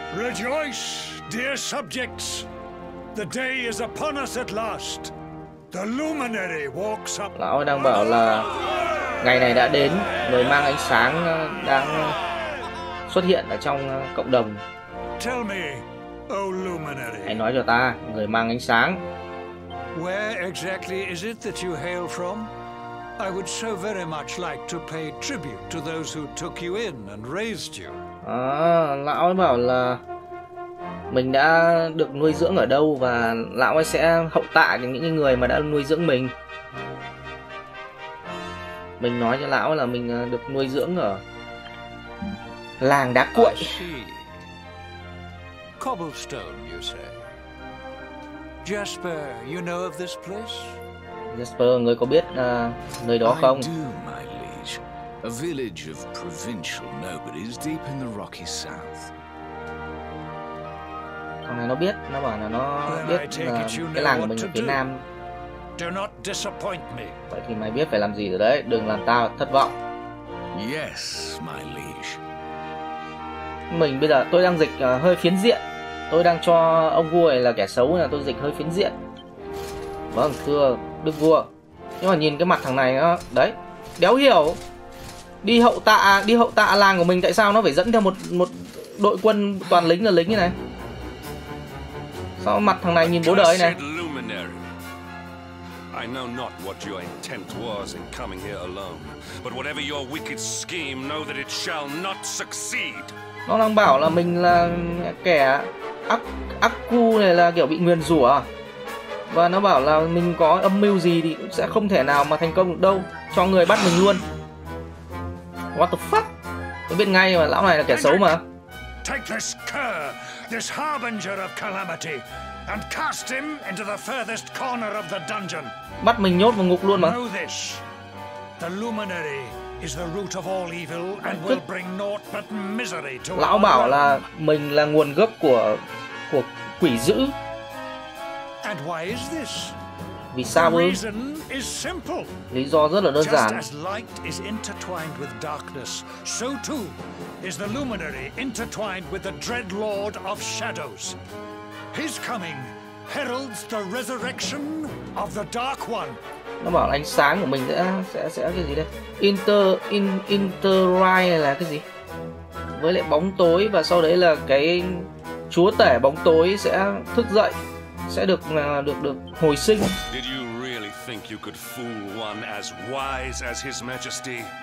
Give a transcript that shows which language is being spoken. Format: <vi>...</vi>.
<en>Rejoice, dear subjects. The day is upon us at last. The luminary walks up.</en> <vi>Lão ấy đang bảo là ngày này đã đến, người mang ánh sáng đang xuất hiện ở trong cộng đồng.</vi> <en>Tell me, oh luminary.</en> <vi>Hãy nói cho ta, người mang ánh sáng.</vi> <en>Where exactly is it that you hail from? I would so very much like to pay tribute to those who took you in and raised you.</en> <vi>À, lão ấy bảo là mình đã được nuôi dưỡng ở đâu và lão ấy sẽ hậu tạ cho những người mà đã nuôi dưỡng mình. Mình nói cho lão là mình được nuôi dưỡng ở làng đá cuội.</vi> <en>Cobblestone, you say. Jasper, you know of this place?</en> <vi>Jasper, người có biết nơi đó không?</vi> <en>I do, my liege. A village of provincial nobodies deep in the rocky south.</en> <vi>Thằng này nó biết, nó bảo là nó biết cái làng của mình ở phía nam.</vi> <en>Do not disappoint me.</en> <vi>Vậy thì mày biết phải làm gì rồi đấy, đừng làm tao thất vọng.</vi> <en>Yes, my liege.</en> <vi>Mình bây giờ tôi đang dịch hơi phiến diện. Tôi đang cho ông vua này là kẻ xấu là tôi dịch hơi phiến diện. Vâng, thưa đức vua. Nhưng mà nhìn cái mặt thằng này đấy, đéo hiểu. Đi hậu tạ làng của mình tại sao nó phải dẫn theo một đội quân toàn lính là lính như này? Sao mặt thằng này nhìn bố đời này?</vi> <en>I know not what your intent was in coming here alone, but whatever your wicked scheme, know that it shall not succeed.</en> <vi>Nó đang bảo là mình là kẻ Akku này là kiểu bị nguyền rủa. Và nó bảo là mình có âm mưu gì thì cũng sẽ không thể nào mà thành công được đâu. Cho người bắt mình luôn.</vi> <en>What the fuck?</en> <vi>Tôi biết ngay mà lão này là kẻ xấu mà.</vi> <en>Take this cur, this harbinger of calamity, and cast him into the furthest corner of the dungeon.</en> <vi>Bắt mình nhốt vào ngục luôn mà.</vi> <en>Know this. The luminary is the root of all evil and will bring naught but misery to.</en> <vi>Lão bảo là mình là nguồn gốc của quỷ dữ.</vi> <en>And why is this?</en> <vi>Vì sao ư?</vi> <en>The reason is simple.</en> <vi>Lý do rất là đơn giản.</vi> <en>Just as light is intertwined with darkness, so too is the luminary intertwined with the dread lord of shadows. His coming heralds the resurrection of the dark one.</en> <vi>Nó bảo là ánh sáng của mình sẽ cái gì đây? Interwine là cái gì? Với lại bóng tối và sau đấy là cái chúa tể bóng tối sẽ thức dậy, sẽ được hồi sinh.</vi> <en>Did you really think you could fool one as wise as his majesty?</en>